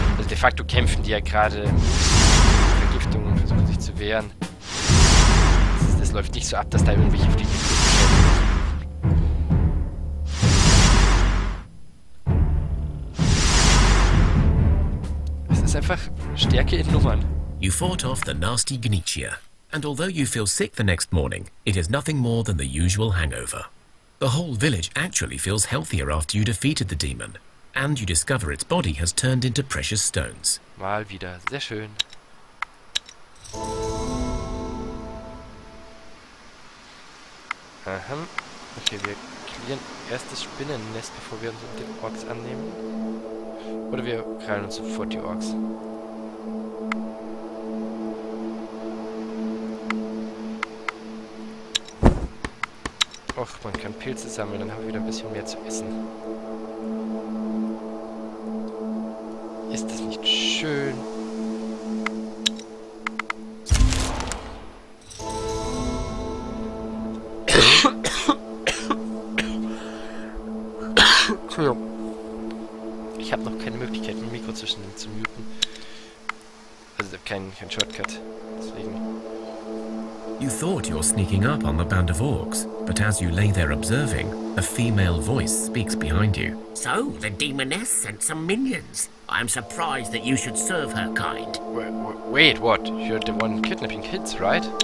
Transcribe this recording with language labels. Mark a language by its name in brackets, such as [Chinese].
[German] De facto kämpfen die ja gerade mit Vergiftungen und versuchen sich zu wehren. Das läuft nicht so ab, dass da irgendwelche auf die Gegend kämpfen. Es ist einfach Stärke in Nummern. [English] You fought off the nasty Gnitchia. And although you feel sick the next morning, it is nothing more than the usual hangover. The whole village actually feels healthier after you defeated the demon. And you discover its body has turned into precious stones. [German] Mal wieder. Sehr schön. Okay, wir klären erst das Spinnennest, bevor wir uns die Orks annehmen. Oder wir krallen uns sofort die Orks. Och, man kann Pilze sammeln, dann haben wir wieder ein bisschen mehr zu essen. Ist das nicht schön? Ich habe noch keine Möglichkeit, mein Mikro zwischen den zu muten. Also kein Shortcut. Deswegen. [English] You thought you're sneaking up on the band of orcs, but as you lay there observing, a female voice speaks behind you. So, the demoness sent some minions. I'm surprised that you should serve her kind. Wait, what? You're the one kidnapping kids, right?